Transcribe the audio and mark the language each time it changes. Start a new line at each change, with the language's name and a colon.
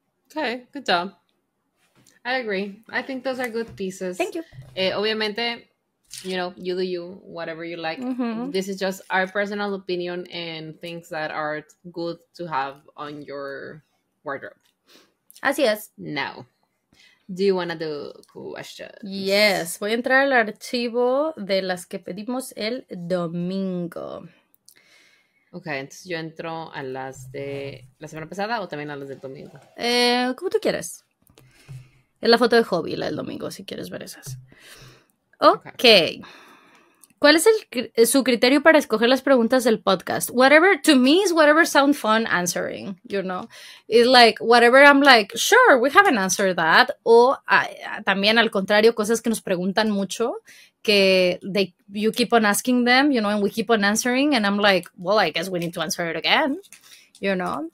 English: Okay, good job. I agree. I think those are good pieces. Thank you.
Spanish: Obviamente,
English: you know, you do you, whatever you like. Mm-hmm. This is just our personal opinion and things that are good to have on your wardrobe.
Spanish: Así es.
English: Now, do you want to do questions? Yes.
Spanish: Voy a entrar al archivo de las que pedimos el domingo. Okay, entonces yo entro a las de la semana pasada o también a las del domingo. Como tú quieras. Es la foto de hobby, la del domingo, si quieres ver esas. Ok. ¿Cuál es su criterio para escoger las preguntas del podcast?
English: Whatever, to me, is whatever sound fun answering, you know. It's like, whatever I'm like, sure, we haven't answered that.
Spanish: O también, al contrario, cosas que nos preguntan mucho, que
English: you keep on asking them, you know, and we keep on answering, and I'm like, well, I guess we need to answer it again, you know.